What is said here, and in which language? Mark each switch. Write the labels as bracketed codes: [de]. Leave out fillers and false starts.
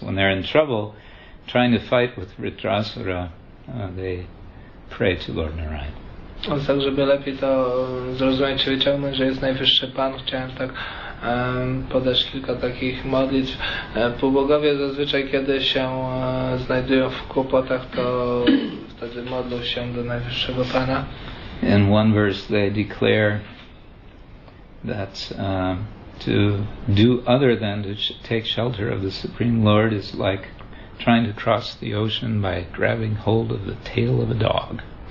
[en] When they're in trouble trying to fight with Ritrasura, they pray to Lord Narayan. [pl] A tak, żeby lepiej to zrozumieć, wyciągnąć, że jest najwyższy Pan, chciałem tak podać kilka takich modlitw. Półbogowie zazwyczaj, kiedy się znajdują w kłopotach, to wtedy modlą się do najwyższego Pana. [en] In one verse they declare that to do other than to take shelter of the Supreme Lord is like trying to cross the ocean by grabbing hold of the tail of a dog.